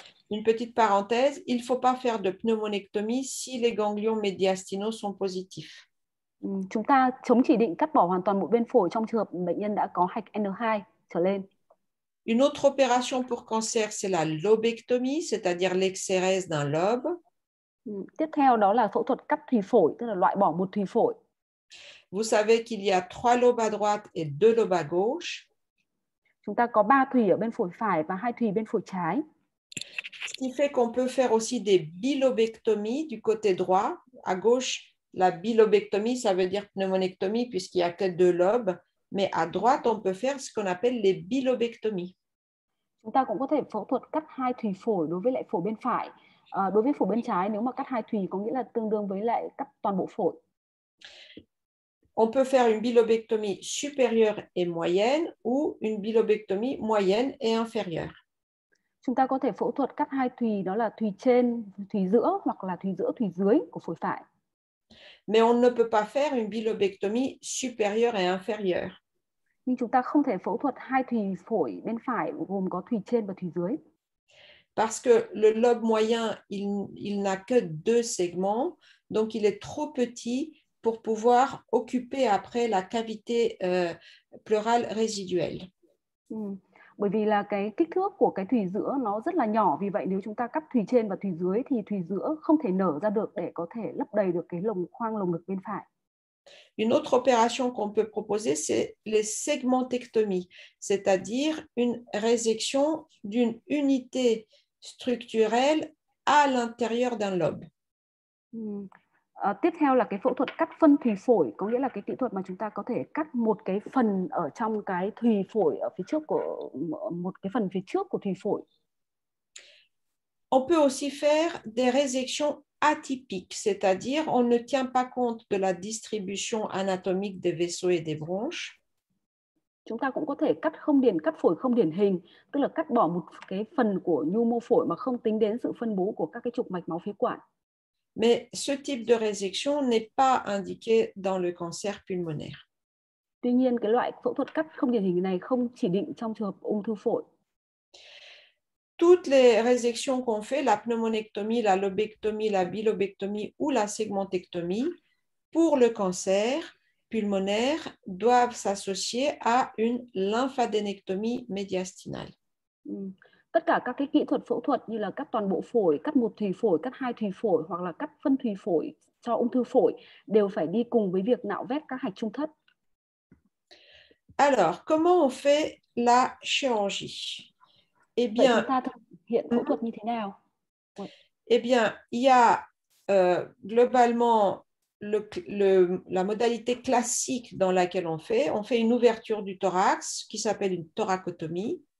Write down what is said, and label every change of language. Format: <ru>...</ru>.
<fr>Une petite parenthèse, il ne faut pas faire de pneumonectomie si les ganglions médiastinaux sont positifs. pneumonectomie.</fr> <vi>Chúng ta chống chỉ định cắt bỏ hoàn toàn một bên phổi trong trường hợp bệnh nhân đã có hạch N2 trở lên.</vi> <fr>Une autre opération pour cancer, c'est la lobectomie, c'est-à-dire l'exérèse d'un lobe.</fr> <vi>Tiếp theo đó là phẫu thuật cắt thùy phổi, tức là loại bỏ một thùy phổi.</vi> <fr>Vous savez qu'il y a trois lobes à droite et deux lobes à gauche.</fr> <vi>Chúng ta có ba thùy ở bên phổi phải và hai thùy bên phổi trái.</vi> <fr>Ce qui fait qu'on peut faire aussi des bilobectomies du côté droit. À gauche, la bilobectomie, ça veut dire pneumonectomie puisqu'il n'y a que deux lobes. Mais à droite, on peut faire ce qu'on appelle les bilobectomies.</fr> <vi>Chúng ta cũng có thể phẫu thuật cắt hai thùy phổi đối với lại phổi bên phải. Đối với phổi bên trái, nếu mà cắt hai thùy có nghĩa là tương đương với lại cắt toàn bộ phổi.</vi> <fr>On peut faire une bilobectomie supérieure et moyenne ou une bilobectomie moyenne et inférieure.</fr> <vi>Chúng ta có thể phẫu thuật cắt hai thùy, đó là thùy trên, thùy giữa hoặc là thùy giữa, thùy dưới của phổi phải.</vi> <fr>Mais on ne peut pas faire une bilobectomie supérieure et inférieure.</fr> <vi>Nhưng chúng ta không thể phẫu thuật hai thùy phổi bên phải gồm có thùy trên và thùy dưới.</vi> <fr>Parce que le lobe moyen, il n'a que deux segments, donc il est trop petit pour pouvoir occuper après la cavité pleurale résiduelle.</fr> <vi>Bởi vì là cái kích thước của cái thùy giữa nó rất là nhỏ, vì vậy nếu chúng ta cắt thùy trên và thùy dưới thì thùy giữa không thể nở ra được để có thể lấp đầy được cái lồng khoang lồng ngực bên phải.</vi> <fr>Une autre opération qu'on peut proposer, c'est les segmentectomies, c'est-à-dire une résection d'une unité structurelle à l'intérieur d'un lobe.</fr> <vi>Tiếp theo là cái phẫu thuật cắt phân thùy phổi, có nghĩa là cái kỹ thuật mà chúng ta có thể cắt một cái phần ở trong cái thùy phổi ở phía trước của một cái phần phía trước của thùy phổi.</vi> <fr>On peut aussi faire des résections atypiques, c'est-à-dire on ne tient pas compte de la distribution anatomique des vaisseaux et des bronches.</fr> <vi>Chúng ta cũng có thể cắt không điển, cắt phổi không điển hình, tức là cắt bỏ một cái phần của nhu mô phổi mà không tính đến sự phân bố của các cái trục mạch máu phế quản.</vi> <fr>Mais ce type de résection n'est pas indiqué dans le cancer pulmonaire.</fr> <vi>Tuy nhiên, cái loại phẫu thuật cắt không điển hình này không chỉ định trong trường hợp ung thư phổi.</vi> <fr>Toutes les résections qu'on fait, la pneumonectomie, la lobectomie, la bilobectomie ou la segmentectomie, pour le cancer pulmonaire, doivent s'associer à une lymphadénectomie médiastinale.</fr> <vi>Tất cả các cái kỹ thuật phẫu thuật như là cắt toàn bộ phổi, cắt một thùy phổi, cắt hai thùy phổi hoặc là cắt phân thùy phổi cho ung thư phổi đều phải đi cùng với việc nạo vét các hạch trung thất.</vi> <fr>Alors, comment on fait la chirurgie? Eh</fr> <vi>Vậy</vi> <fr>bien,</fr> <vi>chúng ta thực hiện phẫu thuật như thế nào?</vi> <fr>il y a globalement la modalité classique dans laquelle on fait une ouverture du thorax qui s'appelle une thoracotomie.</fr>